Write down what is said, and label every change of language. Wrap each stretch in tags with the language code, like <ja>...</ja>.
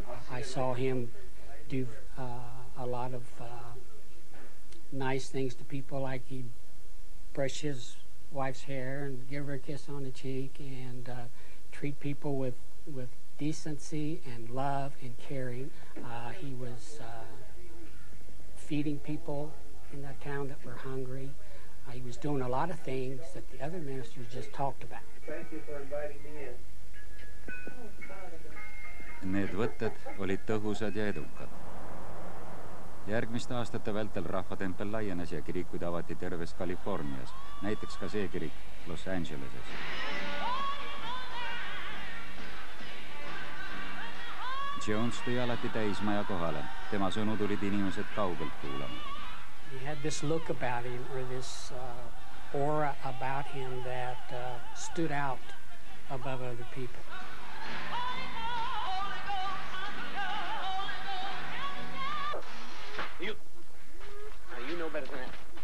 <en>I saw him do a lot of nice things to people, like he'd brush his wife's hair and give her a kiss on the cheek and treat people with decency and love and caring. He was feeding people in that town that were hungry. He was doing a lot of things that the other ministers just talked about. Thank you for inviting me in.</en> <et>Need võtted olid tõhusad ja edukad. Järgmiste aastate vältel rahvatempel laienes ja kirikud avati terves Kalifornias, näiteks ka see kirik Los Angeleses. Jones tõi alati täismaja kohale. Tema sõnu tulid inimesed kaugelt kuulama.</et> <en>He had this look about him, or this aura about him that stood out above other people. You know better than that.</en>